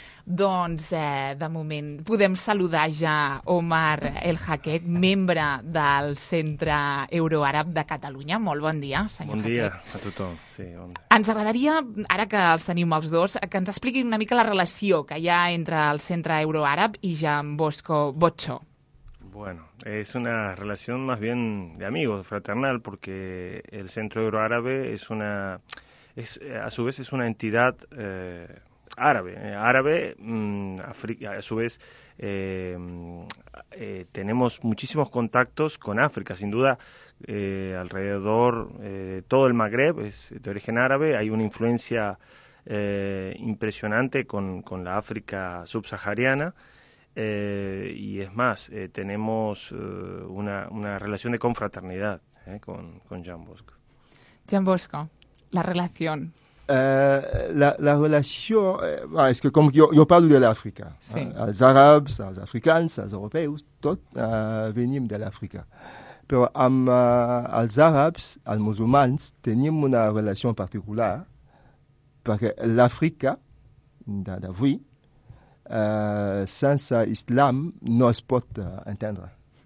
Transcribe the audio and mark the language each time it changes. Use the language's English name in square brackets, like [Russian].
[Catalan] Doncs, de moment, podem saludar ja Omar El Hakek, membre del Centre Euroàrab de Catalunya. Molt bon dia, senyor Hakek. Bon dia Hakek. A tothom. Sí, ens agradaria, ara que els tenim els dos, que ens expliquin una mica la relació que hi ha entre el Centre Euroàrab i Jean Bosco Botzó. [Spanish] Bueno, es una relación más bien de amigos, fraternal, porque el Centro Euroárabe es a su vez una entidad árabe, África, a su vez tenemos muchísimos contactos con África, sin duda. Alrededor todo el Magreb es de origen árabe, hay una influencia impresionante con la África subsahariana. Y es más, tenemos una relación de confraternidad con Jean Bosco. Jean Bosco, la relación. La relación, es que como yo [Catalan] parlo de l'Àfrica. Sí. Els àrabs, els africans, els europeus, tot venim de l'Àfrica. Però amb els àrabs, els musulmans, tenim [Spanish] una relación particular, [Catalan] perquè l'Àfrica d'avui, sense islam no es pot entendre.